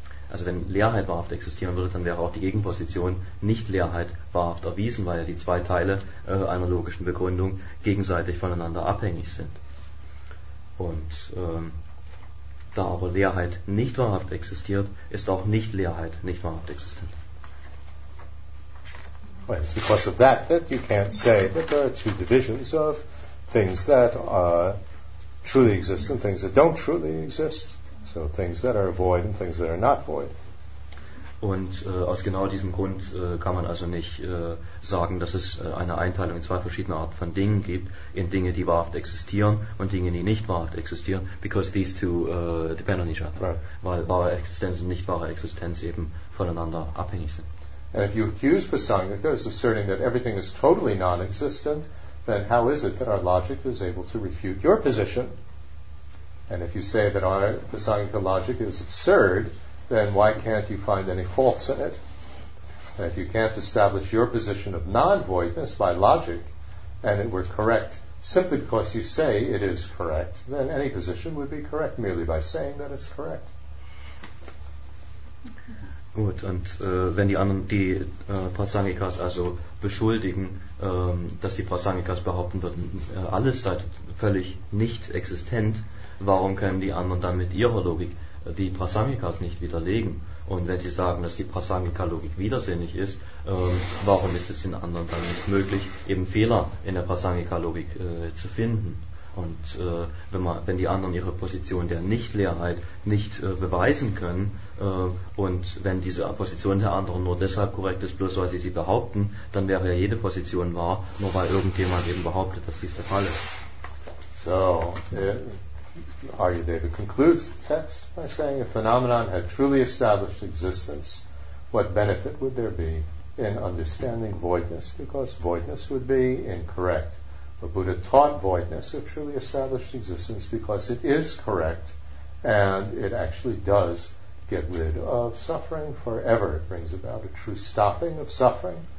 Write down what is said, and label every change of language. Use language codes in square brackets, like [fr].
[de] Also wenn Leerheit wahrhaft existieren würde, dann wäre auch die Gegenposition nicht Leerheit wahrhaft erwiesen, weil ja die zwei Teile einer logischen Begründung gegenseitig voneinander abhängig sind. Und da aber Leerheit nicht wahrhaft existiert, ist auch Nicht-Leerheit nicht wahrhaft existent. [en] Well, it's because of that that you can't say that there are two divisions of things that truly exist and things that don't truly exist. So things that are void and things that are not void. [de] Und aus genau diesem Grund kann man also nicht sagen, dass es eine Einteilung in zwei verschiedene Arten von Dingen gibt, in Dinge, die wahrhaft existieren und Dinge, die nicht wahrhaft existieren, [en] because these two depend on each other. Right. [de] Weil wahre Existenz und nicht wahre Existenz eben voneinander abhängig sind. [en] And if you accuse Prasangika as asserting that everything is totally non-existent, then how is it that our logic is able to refute your position? And if you say that our Prasangika logic is absurd, then why can't you find any faults in it? And if you can't establish your position of non-voidness by logic, and it were correct simply because you say it is correct, then any position would be correct merely by saying that it's correct. [de] Gut, und wenn die anderen die Prasangikas also beschuldigen, dass die Prasangikas behaupten würden, alles sei völlig nicht existent, warum können die anderen dann mit ihrer Logik die Prasangikas nicht widerlegen? Und wenn sie sagen, dass die Prasangika-Logik widersinnig ist, warum ist es den anderen dann nicht möglich, eben Fehler in der Prasangika-Logik zu finden? Und wenn die anderen ihre Position der Nicht-Leerheit nicht beweisen können, und wenn diese Position der anderen nur deshalb korrekt ist, bloß weil sie sie behaupten, dann wäre ja jede Position wahr, nur weil irgendjemand eben behauptet, dass dies der Fall ist. [en] So, Arjadeva concludes the text by saying, if phenomenon had truly established existence, what benefit would there be in understanding voidness? Because voidness would be incorrect. The Buddha taught voidness of truly established existence because it is correct, and it actually does get rid of suffering forever. It brings about a true stopping of suffering.